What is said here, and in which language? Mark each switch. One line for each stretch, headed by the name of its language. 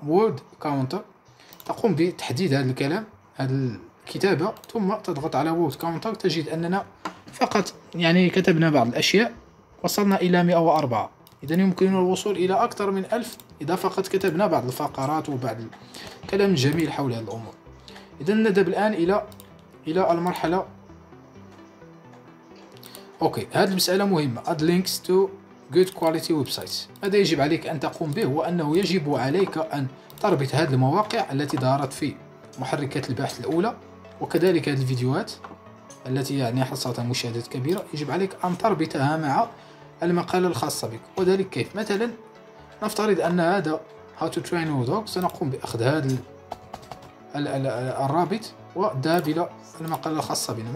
Arabic: وورد كاونتر، تقوم بتحديد هذا الكلام هذه الكتابة ثم تضغط على وورد كاونتر، تجد أننا فقط يعني كتبنا بعض الأشياء، وصلنا إلى 104. إذن يمكننا الوصول إلى أكثر من 1000 إذا فقط كتبنا بعض الفقرات وبعض الكلام الجميل حول هذه الأمور. إذن نذهب الآن إلى المرحلة. أوكي، هذه المسألة مهمة.
English: Add links to good quality websites.
Arabic: ماذا يجب عليك أن تقوم به؟ وأنه يجب عليك أن تربط هذه المواقع التي ظهرت في محركات البحث الأولى وكذلك هذه الفيديوهات التي يعني حصلت مشاهدات كبيرة، يجب عليك أن تربطها مع المقالة الخاصة بك. وذلك كيف؟ مثلا نفترض أن هذا
English: How to train your dog،
Arabic: سنقوم بأخذ هذا الرابط وذهب إلى المقالة الخاصة بنا.